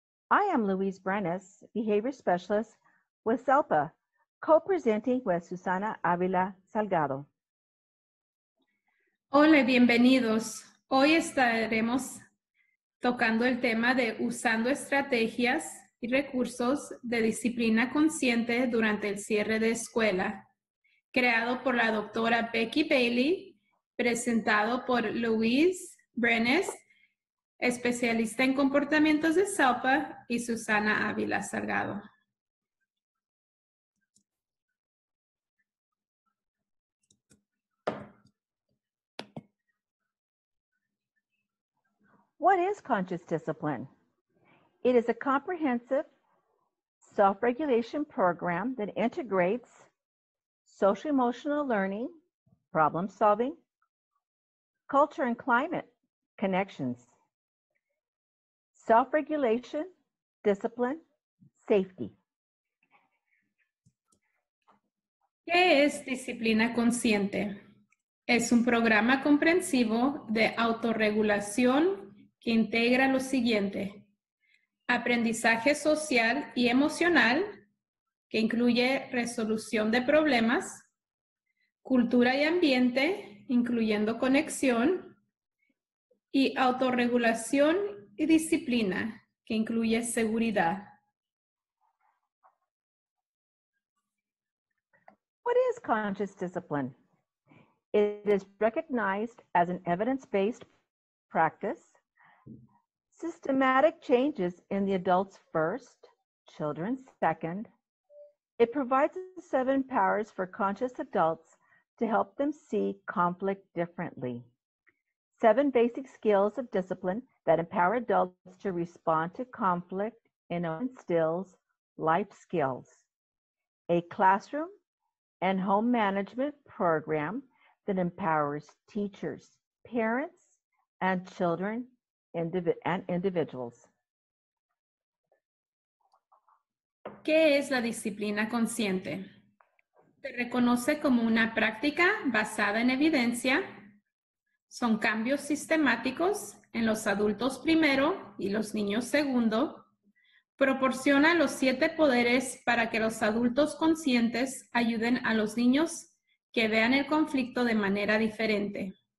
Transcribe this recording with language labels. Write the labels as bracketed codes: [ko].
[en] I am Louise Brenes, Behavior Specialist with CELPA, co-presenting with Susana Avila Salgado. [es] Hola, bienvenidos. Hoy estaremos tocando el tema de usando estrategias y recursos de disciplina consciente durante el cierre de escuela, creado por la doctora Becky Bailey, presentado por Louise Brenes, especialista en comportamientos de CELPA, y Susana Avila Salgado. [en] What is conscious discipline? It is a comprehensive self-regulation program that integrates social-emotional learning, problem-solving, culture and climate connections, self-regulation, discipline, safety. [es] ¿Qué es disciplina consciente? Es un programa comprensivo de autorregulación que integra lo siguiente: aprendizaje social y emocional, que incluye resolución de problemas, cultura y ambiente, incluyendo conexión, y autorregulación y disciplina, que incluye seguridad. [en] What is conscious discipline? It is recognized as an evidence-based practice. Systematic changes in the adults first, children second. It provides the seven powers for conscious adults to help them see conflict differently. Seven basic skills of discipline that empower adults to respond to conflict and instills life skills. A classroom and home management program that empowers teachers, parents, and children and individuals. [es] ¿Qué es la disciplina consciente? Se reconoce como una práctica basada en evidencia. Son cambios sistemáticos en los adultos primero y los niños segundo. Proporciona los siete poderes para que los adultos conscientes ayuden a los niños que vean el conflicto de manera diferente.